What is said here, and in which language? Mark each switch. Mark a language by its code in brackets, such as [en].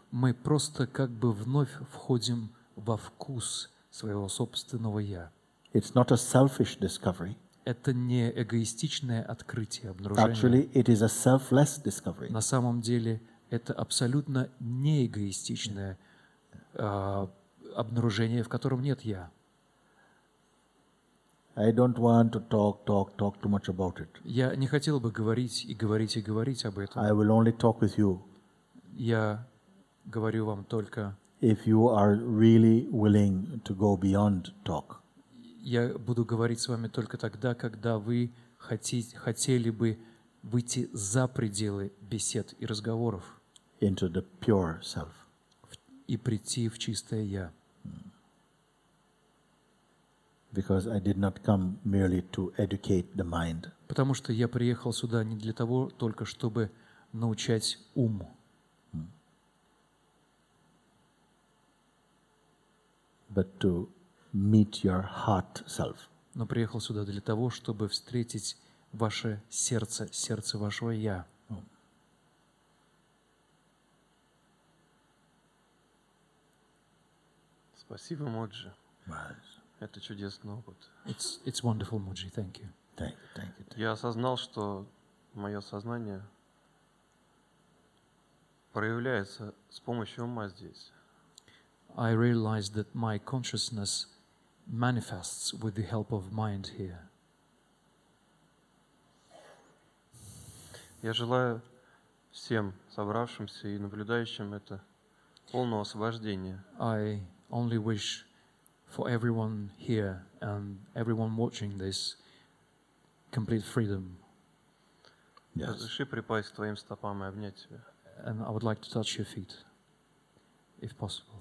[ru] Мы просто как бы вновь входим во вкус своего собственного я. [en] It's not a selfish discovery. [ru] Это не эгоистичное открытие, обнаружение. [en] Actually, it is a selfless discovery. [ru] На самом деле, это абсолютно не эгоистичное обнаружение, в котором нет я. [en] I don't want to talk too much about it. [ru] Я не хотел бы говорить и говорить и говорить об этом. [en] I will only talk with you. [ru] Я говорю вам только. [en] If you are really willing to go beyond talk. [ru] Я буду говорить с вами только тогда, когда вы хотели бы выйти за пределы бесед и разговоров [en] into the pure self. [ru] И прийти в чистое я. [en] Because I did not come merely to educate the mind. [ru] Потому что я приехал сюда не для того, только чтобы научать ум. [en] But to meet your heart self. [ru] Но приехал сюда для того, чтобы встретить ваше сердце, сердце вашего я. Спасибо, Моджи. Это чудесный опыт. [en] It's wonderful, Моджи. Thank you. Thank you. [ru] Я осознал, что мое сознание проявляется с помощью ума здесь. [en] I realized that my consciousness manifests with the help of mind here. [ru] Я желаю всем собравшимся и наблюдающим это полного освобождения. [en] I only wish for everyone here and everyone watching this complete freedom. [ru] Разреши припасть к твоим стопам и обнять тебя. [en] And I would like to touch your feet, if possible.